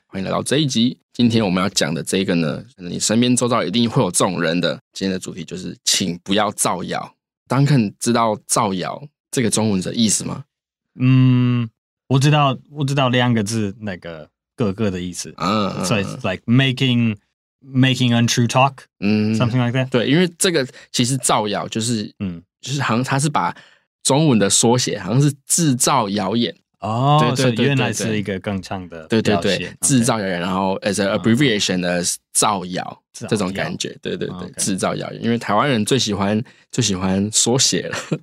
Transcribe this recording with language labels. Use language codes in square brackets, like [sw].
[zh] 欢迎来到这一集。今天我们要讲的这个呢，可能你身边周遭一定会有这种人的。今天的主题就是请不要造谣。 Duncan 知道造谣这个中文的意思吗？我知道两个字，那个各个的意思。 [en] So it's like making untrue talk, something like that. [zh] 对，因为这个其实造谣就是，就是好像他是把中文的缩写，好像是制造谣言。哦，对，原来是一个更长的，对，制造谣言，然后 [en] as an abbreviation [zh] 的造谣这种感觉，对，制造谣言，因为台湾人最喜欢缩写了。